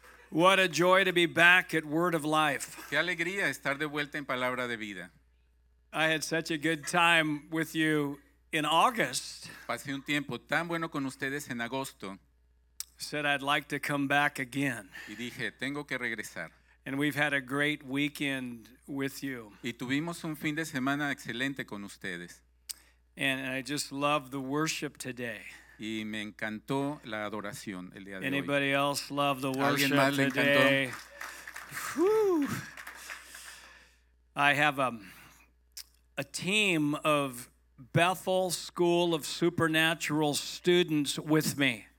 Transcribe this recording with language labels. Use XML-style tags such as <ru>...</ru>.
<en>What a joy to be back at Word of Life.</en> <es>Qué alegría estar de vuelta en Palabra de Vida.</es> <en>I had such a good time with you in August.</en> <es>Pasé un tiempo tan bueno con ustedes en agosto.</es> <en>Said I'd like to come back again.</en> <es>Y dije, tengo que regresar.</es> <en>And we've had a great weekend with you.</en> <es>Y tuvimos un fin de semana excelente con ustedes.</es> <en>And I just love the worship today.</en> <es>Y me encantó la adoración el día de hoy.</es> <en>Anybody else love the worship today? Whew. I have a team of Bethel School of Supernatural students with me.</en>